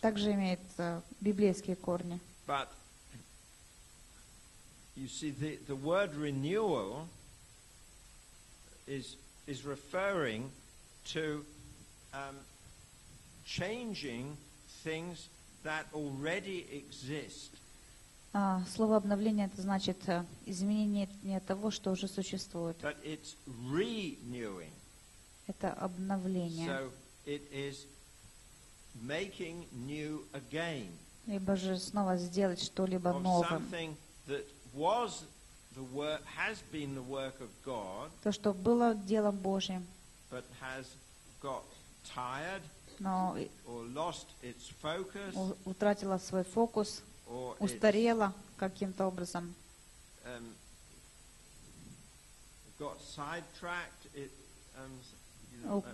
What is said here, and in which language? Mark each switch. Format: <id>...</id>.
<ru>также имеет библейские корни.</ru> <en>But you see, the word renewal is referring to changing things that already exist.</en> <ru>Слово обновление — это значит изменение не того, что уже существует.</ru> <en>But it's renewing.</en> <ru>Это обновление.</ru> <en>So it is making new again.</en> <ru>Либо же снова сделать что-либо новым.</ru> <en>Something that was the work, has been the work of God.</en> <ru>То, что было делом Божьим.</ru> <en>But has got tired. Or lost its focus.</en> <ru>Утратило свой фокус. Устарела каким-то образом.</ru> <en>Got sidetracked.</en>